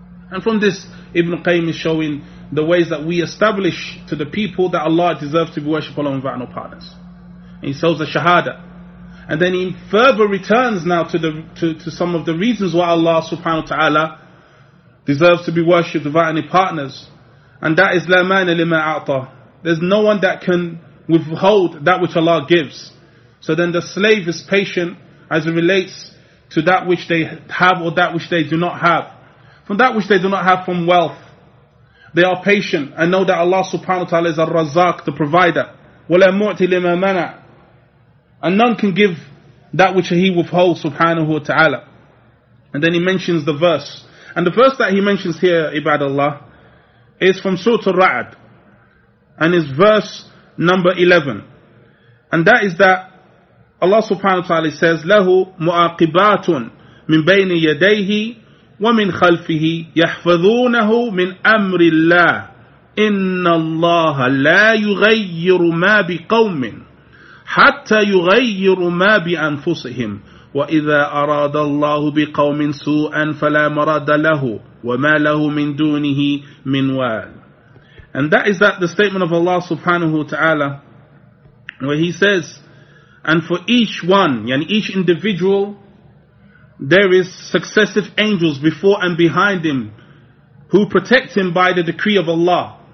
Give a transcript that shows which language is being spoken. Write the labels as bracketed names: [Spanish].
[English] And from this, Ibn Qayyim is showing the ways that we establish to the people that Allah deserves to be worshipped alone without no partners. And he shows the shahada. And then he further returns now to some of the reasons why Allah subhanahu wa ta'ala deserves to be worshipped without any partners. And that is, [Arabic] لَا مَانَ لِمَا أَعْطَى. [English] There's no one that can withhold that which Allah gives. So then the slave is patient as it relates to that which they have or that which they do not have. From that which they do not have, from wealth, they are patient and know that Allah subhanahu wa ta'ala is al-Razzaq, the provider. [Arabic] وَلَا مُعْتِ لِمَا مَنَعَ. [English] And none can give that which he withholds, subhanahu wa ta'ala. And then he mentions the verse. And the verse that he mentions here, ibadallah, is from Surah Al-Ra'd. And is verse number 11. And that is that Allah subhanahu wa ta'ala says, [Arabic] لَهُ مُعَاقِبَاتٌ مِنْ بَيْنِ يَدَيْهِ وَمِنْ خَلْفِهِ يَحْفَظُونَهُ مِنْ أَمْرِ اللَّهِ إِنَّ اللَّهَ لَا يُغَيِّرُ مَا بِقَوْمٍ حَتَّى يُغَيِّرُ مَا بِأَنفُسِهِمْ وَإِذَا أَرَادَ اللَّهُ بِقَوْمٍ سُوءًا فَلَا مَرَدَ لَهُ وَمَا لَهُ مِنْ دُونِهِ مِنْ وَالٍ. [English] And that is that the statement of Allah subhanahu wa ta'ala, where he says, and for each one, yani each individual, there is successive angels before and behind him who protect him by the decree of Allah.